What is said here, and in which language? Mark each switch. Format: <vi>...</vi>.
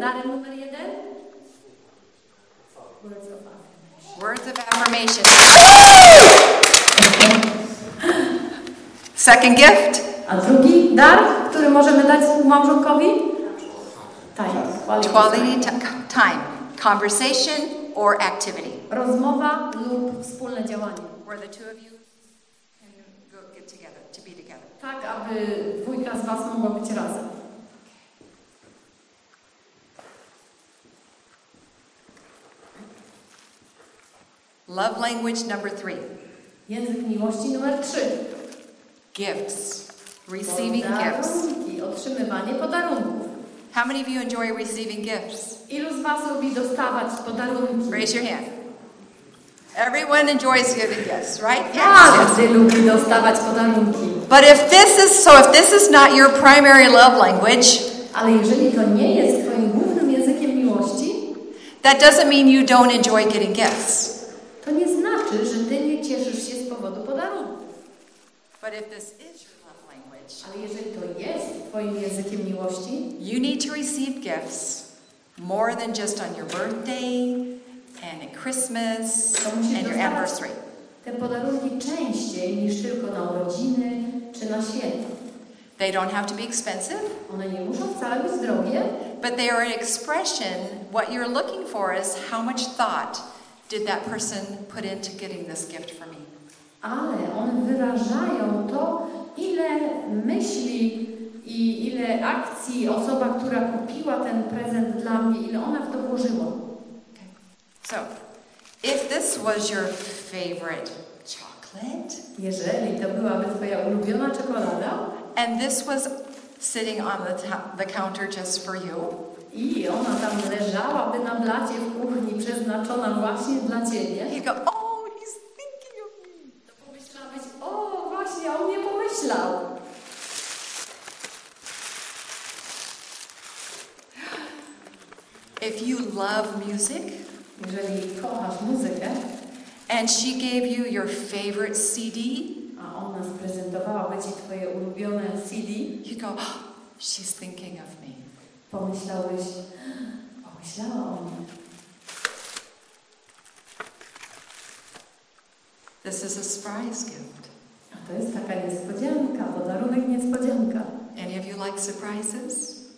<pl>Darem numer jeden?</pl> <en>Words of affirmation. Second gift.</en> <pl>A drugi dar, który możemy dać małżonkowi?</pl> <en>Quality time. Conversation or activity.</en> <pl>Rozmowa lub wspólne działanie.</pl> <en>Where the two of you can go get together, to be together.</en> <pl>Tak, aby dwójka z was mogła być razem.</pl> <en>Love language number three.</en> <pl>Język miłości numer trzy.</pl> <en>Gifts. Receiving gifts.</en> <pl>Otrzymywanie podarunków.</pl> <en>How many of you enjoy receiving gifts?</en> <pl>Ilu z was lubi dostawać podarunki?</pl> <en>Raise your hand. Everyone enjoys giving gifts, right? Yes.</en> <pl>Każdy lubi dostawać podarunki.</pl> <en>But if this is so, if this is not your primary love language,</en> <pl>ale jeżeli to nie jest twoim głównym językiem miłości,</pl> <en>that doesn't mean you don't enjoy getting gifts.</en> <pl>To nie znaczy, że ty nie cieszysz się z powodu podarunków.</pl> <en>But if this is your love language,</en> <pl>ale jeżeli to jest twoim językiem miłości,</pl> <en>you need to receive gifts more than just on your birthday and at Christmas and your anniversary.</en> <pl>Te podarunki częściej niż tylko na urodziny czy na święta.</pl> <en>They don't have to be expensive.</en> <pl>One nie muszą wcale być drogie.</pl> <en>But they are an expression. What you're looking for is how much thought did that person put into getting this gift for me.</en> <pl>Ale one wyrażają to, ile myśli i ile akcji osoba, która kupiła ten prezent dla mnie, ile ona w to włożyła.</pl> <en>So, if this was your favorite chocolate,</en> <pl>jeżeli to byłaby twoja ulubiona czekolada,</pl> <en>and this was sitting on the counter just for you,</en> <pl>i ona tam leżałaby na blacie w kuchni przeznaczona właśnie dla ciebie,</pl> <en>you go, oh, he's thinking of me.</en> <pl>To pomyślałabyś, o, właśnie, on mnie pomyślał.</pl> <en>If you love music,</en> <pl>jeżeli kochasz muzykę,</pl> <en>and she gave you your favorite CD,</en> <pl>a ona zaprezentowała ci twoje ulubione CD,</pl> <en>you go, oh, she's thinking of me.</en> <pl>Pomyślałeś, pomyślała o mnie.</pl> <en>This is a surprise gift.</en> <pl>A to jest taka niespodzianka, podarunek niespodzianka.</pl> <en>Any of you like surprises?</en>